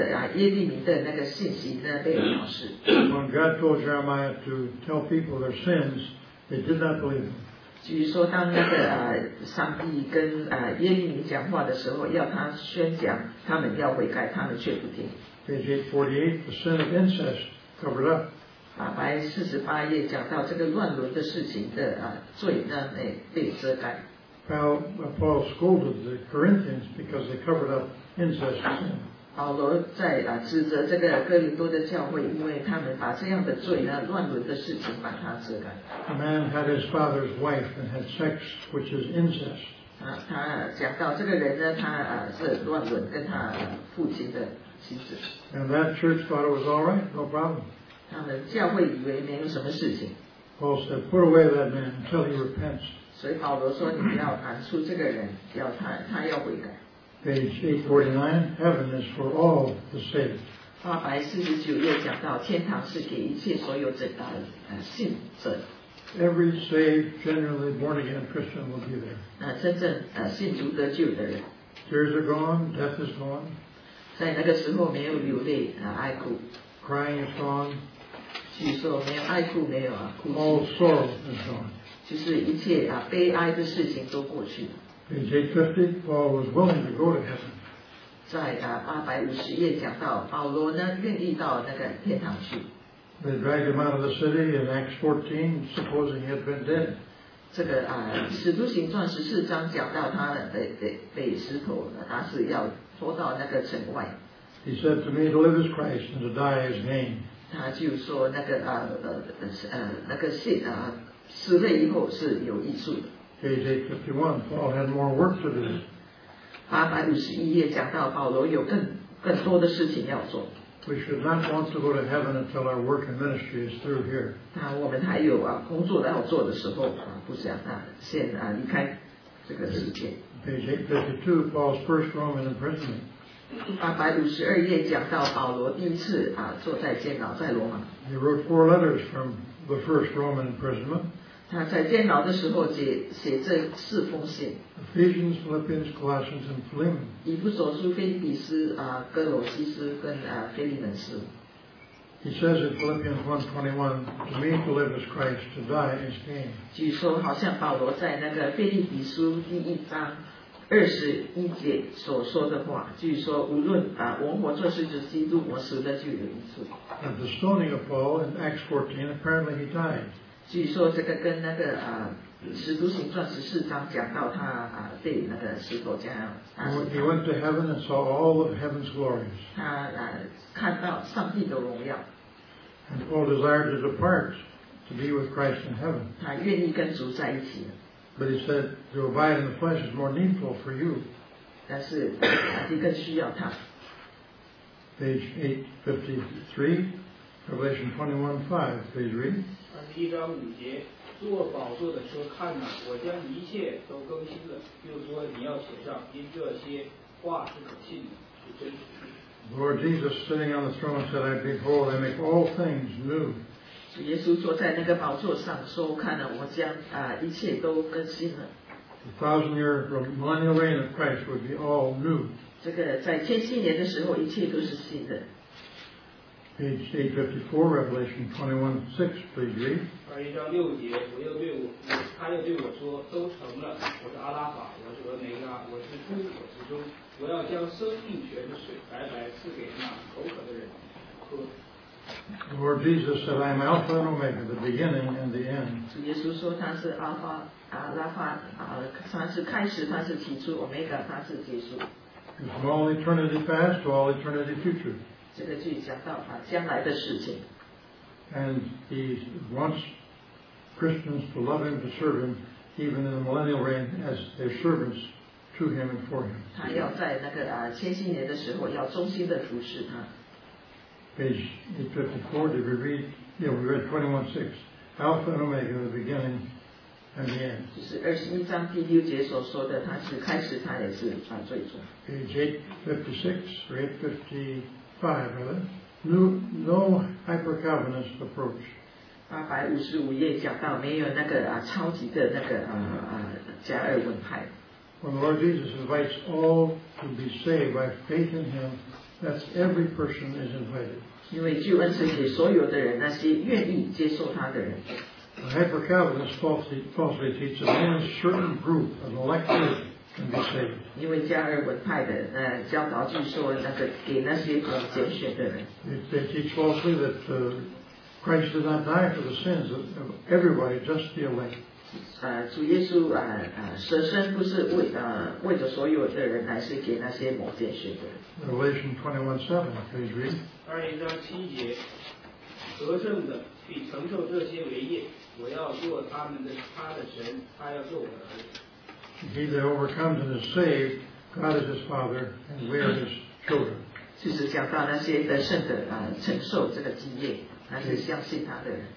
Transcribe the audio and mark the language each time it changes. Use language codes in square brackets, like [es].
[zh] 847页讲到这个耶利米的那个信息呢被藐视。 [en] When God told Jeremiah to tell people their sins, they did not believe him. [zh] 据说当那个上帝跟耶利米讲话的时候，要他宣讲，他们要悔改，他们却不听。 [en] Page 848, the sin of incest covered up. [zh] 白四十八页讲到这个乱伦的事情的罪呢，被遮盖。 [en] Well, Paul scolded the Corinthians because they covered up incest. [zh] 保罗在指责这个哥林多的教会，因为他们把这样的罪呢，乱伦的事情把它遮盖。 [en] A man had his father's wife and had sex, which is incest. [zh] 他讲到这个人呢，他是乱伦跟他父亲的妻子。 [en] And that church thought it was all right, no problem. [zh] 他们教会以为没有什么事情。 [en] Paul said, "Put away that man until he repents." [zh] 所以保罗说，你要赶出这个人，要他要悔改。 [en] Page 849, heaven is for all the saved. [zh] 849页讲到天堂是给一切所有拯道的信者。 [en] Every saved, genuinely born again Christian will be there. [zh] 真正信主得救的人。 [en] Tears are gone, death is gone. [zh] 在那个时候没有流泪哀哭。 [en] Crying is gone. [zh] 据说没有哀哭，没有哭泣。 [en] All sorrow is gone. [zh] 就是一切悲哀的事情都过去了。 [en] Page 850, Paul was willing to go to heaven. [zh] 在850页讲到保罗呢愿意到那个天堂去。 [en] They dragged him out of the city in Acts 14, supposing he had been dead. [zh] 这个使徒行传十四章讲到他被石头他是要拖到那个城外。 [en] He said to me, to live is Christ and to die is gain. [zh] 他就说那个那个信死了以后是有益处的。 [en] Page 851, Paul had more work to do. [zh] 851页讲到保罗有更多的事情要做。 [en] We should not want to go to heaven until our work and ministry is through here. [zh] 我们还有工作要做的时候不想先离开这个世界。 [en] Page 852, Paul's first Roman imprisonment. [zh] 852页讲到保罗第一次坐在监牢在罗马。 [en] He wrote four letters from the first Roman imprisonment. [zh] 他在监牢的时候写这四封信。 [en] Ephesians, Philippians, Colossians, and Philemon. [zh] 以弗所书、腓立比斯、哥罗西斯跟腓立门斯。 [en] He says in Philippians 1:21, "To me to live is Christ; to die is gain." [zh] 据说好像保罗在那个腓立比书第一章二十一节所说的话，据说无论我活着是指基督，我死的就有益处。 [en] At the stoning of Paul in Acts 14, apparently he died. [zh] 据说这个跟那个使徒行传十四章讲到他被那个石头这样。 [en] He went to heaven and saw all of heaven's glories. [zh] 他看到上帝的荣耀。 [en] And Paul desired to depart to be with Christ in heaven. [zh] 他愿意跟主在一起。 [en] But he said to abide in the flesh is more needful for you. [zh] 但是你更需要他。 [en] Page 853, Revelation 21:5, please read. [zh] 第一章五节，坐宝座的说：“看哪，我将一切都更新了。” 又说：“你要写上，因这些话是可信的，是真实的。” [en] Lord Jesus sitting on the throne said, "I behold, I make all things new." [zh] 主耶稣坐在那个宝座上说：“看哪，我将一切都更新了。” [en] The thousand-year millennial reign of Christ would be all new. [zh] 这个在千禧年的时候，一切都是新的。 [en] Page 854, Revelation 21:6, please read. [zh] 二一章六节，我又对我，他又对我说，都成了。我是阿拉法，我是俄梅拉，我是诸佛之中。我要将生命泉的水白白赐给那口渴的人喝。 [en] Lord Jesus said, "I am Alpha and Omega, the beginning and the end." [zh] 主耶稣说他是阿法，阿拉法，他是开始，他是起初 ，Omega 他是结束。 [en] From all eternity past to all eternity future. [zh] 这个句讲到将来的事情。 [en] And he wants Christians to love him, to serve him, even in the millennial reign as their servants to him and for him. [zh] 他要在那个千禧年的时候要忠心的服侍他。 [en] Page 854, did we read? Yeah, we read 21:6. Alpha and Omega, the beginning and the end. [zh] 就是二十一章第六节所说的，他是开始，他也是最终。 [en] Page 856 or 855, no hyper-Calvinist approach. [zh] 855页讲到没有那个超级的那个加尔文派。 [en] When the Lord Jesus invites all to be saved by faith in Him, that's every person is invited. [zh] 因为救恩是给所有的人，那些愿意接受他的人。 [en] A hyper-Calvinist falsely teaches only a certain group of electors. 因为加尔文派的教导据说那个给那些拣选的人。 They teach falsely that Christ did not die for the sins of everybody, just the elect. [zh] 主耶稣舍身不是为着所有的人，乃是给那些某些选的。 [en] Revelation 21:7, please read. [zh] 21:7，得胜的必承受这些为业，我要做他的神，他要做我的儿子。 [en] He that overcomes and is saved, God is his father, and we are his children. [zh] 就是讲到那些得胜的承受这个基业，那是相信他的人。